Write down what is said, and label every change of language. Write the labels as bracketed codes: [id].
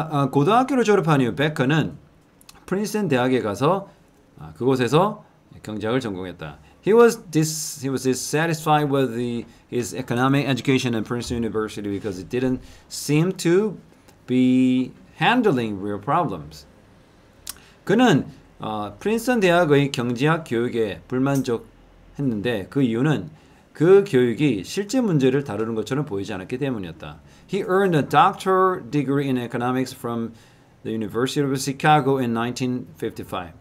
[ko] 고등학교를 졸업한 후 베커는 프린스턴 대학에 가서 그곳에서 경제학을 전공했다. [en] He was dissatisfied with his economic education at Princeton University because it didn't seem to be handling real problems. [ko] 그는 프린스턴 대학의 경제학 교육에 불만족했는데 그 이유는 그 교육이 실제 문제를 다루는 것처럼 보이지 않았기 때문이었다. [en] He earned a doctoral degree in economics from the University of Chicago in 1955.